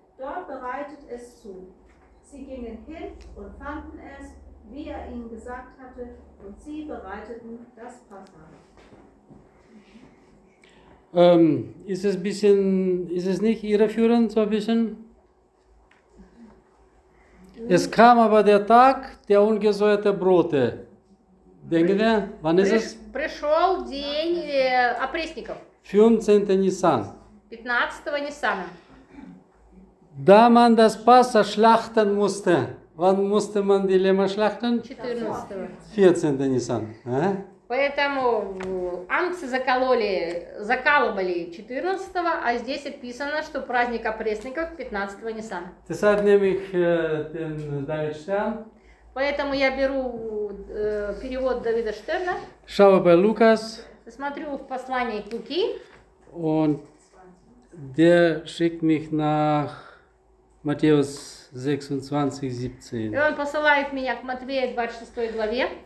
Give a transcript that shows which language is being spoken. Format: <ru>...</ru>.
<de>Dort bereitet es zu. Sie gingen hin und fanden es, wie er ihnen gesagt hatte, und sie bereiteten das Passah. Ist es ein bisschen, ist es nicht irreführend, so ein bisschen? Es kam aber der Tag, der ungesäuerte Brote. Denken wir, wann ist es?</de> <ru>Пришёл день опресников.</ru> <de>15. Nisan. 15. Nisan. Da man das Passa schlachten musste. Wann musste man die Lämmer schlachten? 14. 14. Nisan.</de> <ru>Поэтому ангцы закололи, закалывали 14-го, а здесь описано, что праздник опресников 15-го Нисана.</ru> <de>Deshalb nehme ich den David Stern.</de> <ru>Поэтому я беру перевод Давида Штерна.</ru> <de>Schaue bei Lukas.</de> <ru>Смотрю в послании к Луки.</ru> <de>Und der schickt mich nach Matthäus 26, 17.</de> <ru>И он посылает меня к Матвею 26 главе.</ru>